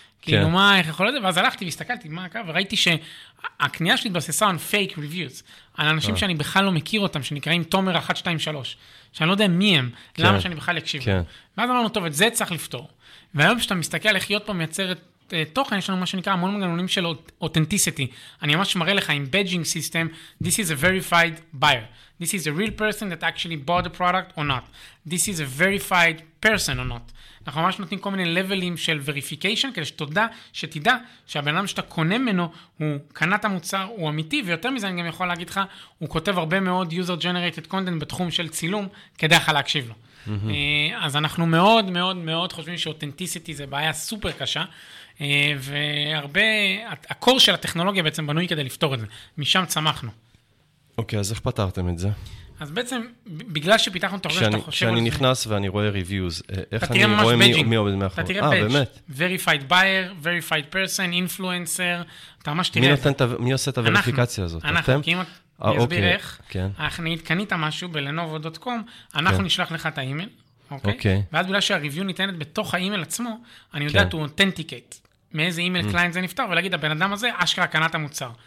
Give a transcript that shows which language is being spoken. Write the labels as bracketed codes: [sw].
[he] כאילו מה, איך יכול להיות? ואז הלכתי והסתכלתי, מה קרה? וראיתי שהקנייה שלי התבססה על fake reviews, על אנשים שאני בכלל לא מכיר אותם, שנקראים תומר 1-2-3, שאני לא יודע מי הם, למה שאני בכלל אקשיב. ואז אמרנו, טוב, את זה צריך לפתור. והיום שאתה מסתכל על איך להיות פה מייצרת תוכן, יש לנו מה שנקרא המון מגנונים של אותנטיסיטי. אני ממש מראה לך, עם badging system, [en] this is a verified buyer. This is a real person that actually bought the product or not. This is a verified person or not. [he] אנחנו ממש נותנים כל מיני לבלים של verification, כדי שתודה, שתדע שהבן אדם שאתה קונה ממנו, הוא קנה את המוצר, הוא אמיתי, ויותר מזה אני גם יכול להגיד לך, הוא כותב הרבה מאוד user generated content בתחום של צילום, כדי לך להקשיב לו. אז אנחנו מאוד מאוד מאוד חושבים שאותנטיסיטי זה בעיה סופר קשה, והרבה, הקור של הטכנולוגיה בעצם בנוי כדי לפתור את זה. משם צמחנו. אוקיי, אז איך פתרתם את זה? אז בעצם, בגלל שפיתחנו את הרבה שאתה חושב על זה... כשאני נכנס ואני רואה reviews, איך אני רואה מי עובד מאחור? אתה תראה באמת? [en] Verified buyer, verified person, influencer, [he] אתה ממש תראה... מי נותן את... מי עושה את הוורפיקציה הזאת? אנחנו, כי אם אני אסביר איך, אנחנו נתקנית משהו בלנובו.com, אנחנו נשלח לך את האימייל, אוקיי? ואז בגלל שהריוויו ניתנת בתוך האימייל עצמו, אני יודע, הוא אותנטיקייט. מאיזה אימייל קליינט זה נפטר, ולהגיד, הבן אדם הזה, אשכרה קנה את המוצר.